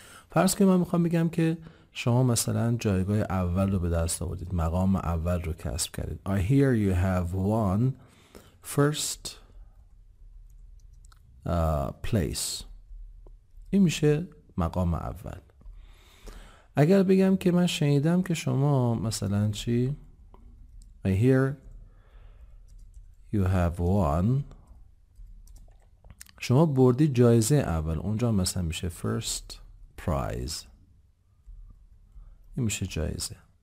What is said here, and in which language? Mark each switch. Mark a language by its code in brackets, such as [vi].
[fa] فرض که من میخوام بگم که شما مثلا جایگاه اول رو به دست آوردید، مقام اول رو کسب کردید. [en] I hear you have won first place. [fa] این میشه مقام اول. اگر بگم که من شنیدم که شما مثلا چی؟ [en] I hear you have won. [fa] شما بردید جایزه اول. اونجا مثلا میشه first prize. این میشه جایزه.